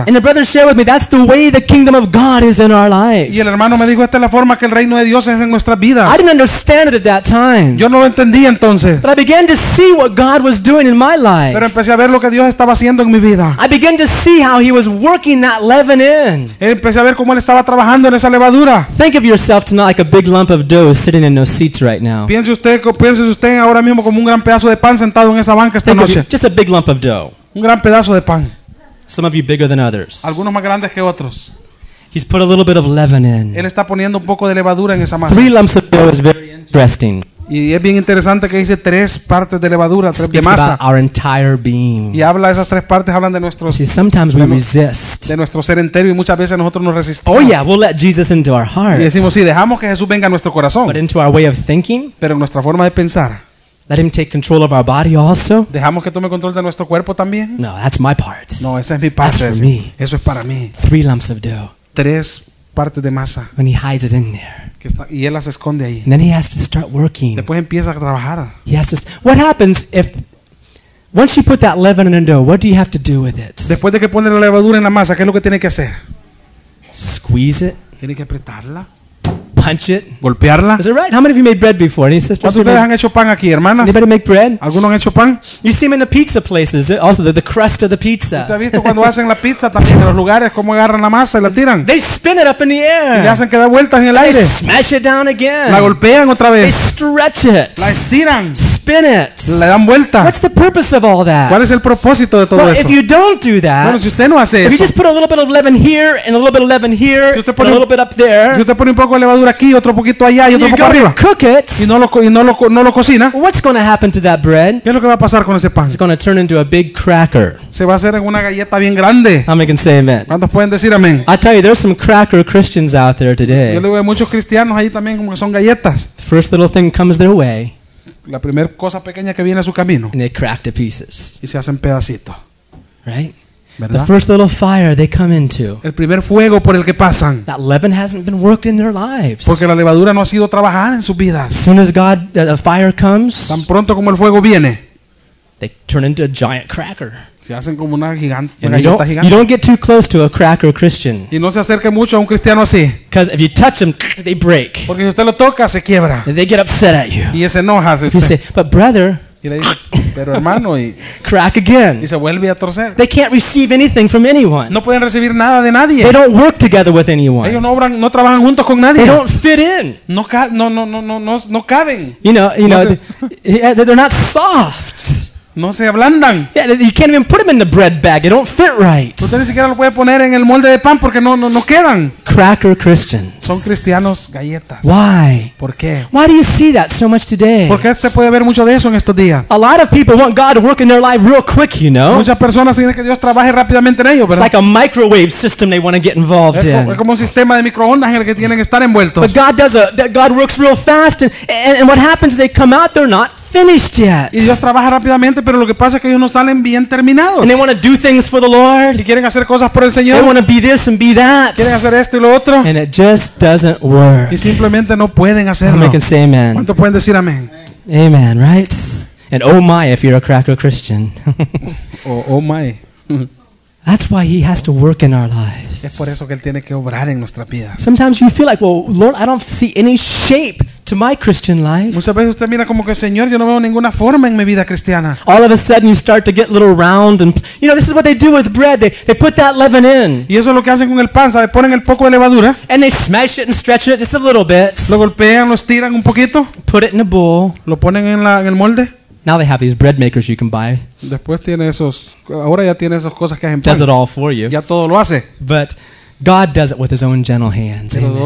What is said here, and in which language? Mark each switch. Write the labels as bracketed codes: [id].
[en] And the brother shared with me, that's the way the kingdom of God is in our life. [es] Y el hermano me dijo, esta es la forma que el reino de Dios es en nuestras vidas. [en] I didn't understand it at that time. [es] Yo no lo entendí entonces. [en] But I began to see what God was doing in my life. [es] Pero empecé a ver lo que Dios estaba haciendo en mi vida. [en] I began to see how He was working that leaven in. [es] Empecé a ver cómo él estaba trabajando en esa levadura. [en] Think of yourself tonight like a big lump of dough sitting in those seats right now. [es] Piense usted ahora mismo como un gran pedazo de pan sentado en esa banca esta noche. [en] Just a big lump of dough. [es] Un gran pedazo de pan. [en] Some of you bigger than others. [es] Algunos más grandes que otros. [en] He's put a little bit of leaven in. [es] Él está poniendo un poco de levadura en esa masa. [en] Three lumps of dough is very interesting. [es] Y es bien interesante que dice tres partes de levadura, tres [en] Speaks [es] de masa. [en] About our entire being. [es] Y habla esas tres partes, hablan de nuestros. [en] See, sometimes we resist. [es] De nuestro ser entero y muchas veces nosotros nos resistimos. [en] Oh yeah, we'll let Jesus into our hearts. [es] Y decimos sí, dejamos que Jesús venga a nuestro corazón. [en] But into our way of thinking. [es] Pero en nuestra forma de pensar. [en] Let Him take control of our body also. [es] ¿Dejamos que tome control de nuestro cuerpo también? [en] No, that's my part. [es] No, esa es mi parte. [en] That's for me. [es] Eso es para mí. [en] Three lumps of dough. [es] Tres partes de masa. [en] When He hides it in there. [es] Que está, y Él las esconde ahí. [en] And then He has to start working. [es] Después empieza a trabajar. [en] He has to, what happens if, once you put that leaven in a dough, what do you have to do with it? [es] Después de que pone la levadura en la masa, ¿qué es lo que tiene que hacer? [en] Squeeze it. [es] Tiene que apretarla. [en] Punch it. [es] Golpearla. [en] Is it right? How many of you made bread before? Any sisters? [es] ¿Cuántos ustedes han hecho pan aquí, hermanas? [en] Anybody make bread? [es] ¿Alguno han hecho pan? [en] You see them in the pizza places. Also, the crust of the pizza. [es] ¿Te has visto cuando hacen la pizza también en los lugares cómo agarran la masa y la tiran? [en] They spin it up in the air. [es] Y le hacen que da vueltas en el aire. [en] They smash it down again. [es] La golpean otra vez. [en] They stretch it. [es] La estiran. [en] Spin it. [es] Le dan vuelta. [en] What's the purpose of all that? [es] ¿Cuál es el propósito de todo [en] well, [es] eso? [en] Well, if you don't do that. [es] Bueno, si usted no hace [en] if [es] eso. [en] If you just put a little bit of leaven here and a little bit of leaven here [es] si usted pone, [en] and a little bit up there. [es] Si usted pone un poco de levadura aquí, otro poquito allá y otro poco arriba. [en] And you go to cook it. [es] Y no lo cocina. [en] What's going to happen to that bread? [es] ¿Qué es lo que va a pasar con ese pan? [en] It's going to turn into a big cracker. [es] Se va a hacer en una galleta bien grande. [en] How many can say amen? [es] ¿Cuántos pueden decir amén? [en] I tell you, there's some cracker Christians out there today. [es] Yo le veo muchos cristianos ahí también como que son galletas. [en] First little thing comes their way. [es] La primera cosa pequeña que viene a su camino. [en] And they crack to pieces. [es] Y se hacen pedacitos. [en] Right? [es] ¿Verdad? [en] The first little fire they come into. [es] El primer fuego por el que pasan. [en] That leaven hasn't been worked in their lives. [es] Porque la levadura no ha sido trabajada en sus vidas. [en] As soon as God, the fire comes. [es] Tan pronto como el fuego viene. [en] They turn into a giant cracker. [es] Se hacen como una gigante, una galleta gigante. [en] You don't get too close to a cracker Christian. [es] Y no se acerque mucho a un cristiano así. [en] Because if you touch them, they break. [es] Porque si usted lo toca, se quiebra. [en] And they get upset at you. [es] Y se enoja. [en] If you say, but brother, [es] Y le dice, pero hermano, y, [en] crack again. [es] Y se vuelve a torcer. [en] They can't receive anything from anyone. [es] No pueden recibir nada de nadie. [en] They don't work together with anyone. [es] Ellos no obran, no trabajan juntos con nadie. [en] They don't fit in. [es] No caben. [en] They're not soft. [es] No se ablandan. [en] Yeah, you can't even put them in the bread bag. They don't fit right. [es] Usted ni siquiera lo puede poner en el molde de pan porque no quedan. [en] Cracker Christians. [es] Son cristianos galletas. [en] Why? [es] ¿Por qué? [en] Why do you see that so much today? [es] ¿Por qué usted puede ver mucho de eso en estos días? [en] A lot of people want God to work in their life real quick, you know. [es] Muchas personas quieren que Dios trabaje rápidamente en ellos, ¿verdad? [en] It's like a microwave system they want to get involved in. [es] Es como un sistema de microondas en el que tienen que estar envueltos. [en] But God does God works real fast, and what happens is they come out, they're not finished yet. [es] Y Dios trabaja rápidamente, pero lo que pasa es que ellos no salen bien terminados. [en] And they want to do things for the Lord. [es] Y quieren hacer cosas por el Señor. [en] They want to be this and be that. [es] Quieren hacer esto y lo otro. [en] And it just doesn't work. [es] Y simplemente no pueden hacerlo. [en] How many can say amen? [es] ¿Cuánto pueden decir amén? [en] Amen, right? And oh my, if you're a cracker Christian. oh my. That's why he has to work in our lives. [es] Es por eso que él tiene que obrar en nuestra vida. [en] Sometimes you feel like, well, Lord, I don't see any shape to my Christian life. [es] Muchas veces usted mira como que, Señor, yo no veo ninguna forma en mi vida cristiana. [en] All of a sudden you start to get little round, and you know this is what they do with bread. They put that leaven in. [es] Y eso es lo que hacen con el pan, ¿sabe? Ponen el poco de levadura. [en] And they smash it and stretch it just a little bit. [es] Lo golpean, lo estiran un poquito. [en] Put it in a bowl. [es] Lo ponen en el molde. [en] Now they have these bread makers you can buy. [es] Después tiene esos, ahora ya tiene esas cosas que hacen. [en] Does it all for you. [es] Ya todo lo hace. [en] But God does it with His own gentle hands.